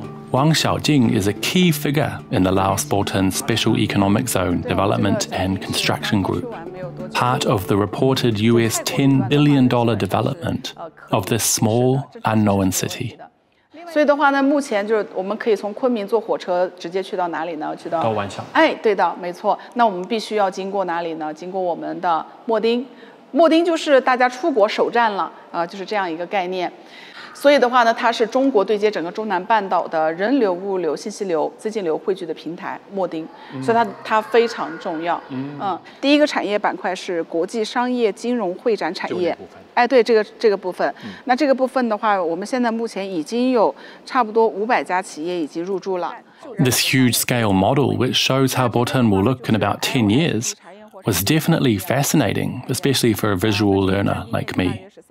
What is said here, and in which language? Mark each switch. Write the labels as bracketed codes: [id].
[en] 王小静 is a key figure in the Laos Boten Special Economic Zone Development and Construction Group, part of the reported US $10 billion development of this small, unknown city. [zh] 所以的话呢，目前就是我们可以从昆明坐火车直接去到哪里呢？去到到万象。哎，对的，没错。那我们必须要经过哪里呢？经过我们的墨丁。墨丁就是大家出国首站了啊，就是这样一个概念。所以的话呢，它是中国对接整个中南半岛的人流、物流、信息流、资金流汇聚的平台，墨丁，所以它非常重要。第一个产业板块是国际商业金融会展产业。哎，对这个部分，那这个部分的话，我们现在目前已经有差不多500家企业已经入驻了。 [en] This huge scale model, which shows how Boten will look in about 10 years, was definitely fascinating, especially for a visual learner like me.